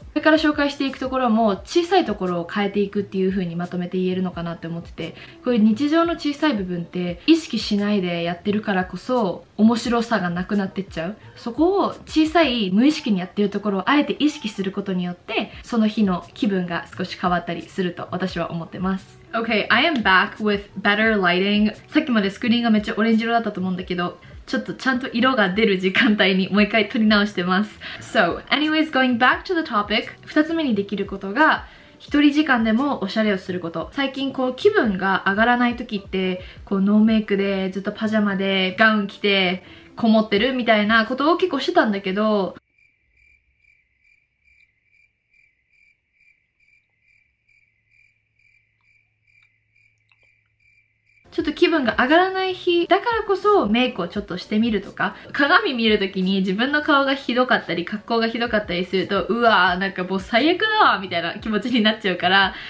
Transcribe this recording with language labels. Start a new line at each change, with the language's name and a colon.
Japanese: これから紹介していくところも、小さいところを変えていくっていう風にまとめて言えるのかなって思ってて、こういう日常の小さい部分って意識しないでやってるからこそ面白さがなくなってっちゃう。そこを小さい無意識にやってるところをあえて意識することによって、その日の気分が少し変わったりすると私は思ってます。
English: Okay, I am back with better lighting.
Japanese: さっきまでスクリーンがめっちゃオレンジ色だったと思うんだけど、ちょっとちゃんと色が出る時間帯にもう一回撮り直してます。
English: So, anyways, going back to the topic,
Japanese: 2つ目にできることが、一人時間でもおしゃれをすること。最近こう気分が上がらない時って、こうノーメイクでずっとパジャマでガウン着てこもってるみたいなことを結構してたんだけど、ちょっと気分が上がらない日だからこそメイクをちょっとしてみるとか、鏡見るときに自分の顔がひどかったり格好がひどかったりすると、うわーなんかもう最悪だわみたいな気持ちになっちゃうから、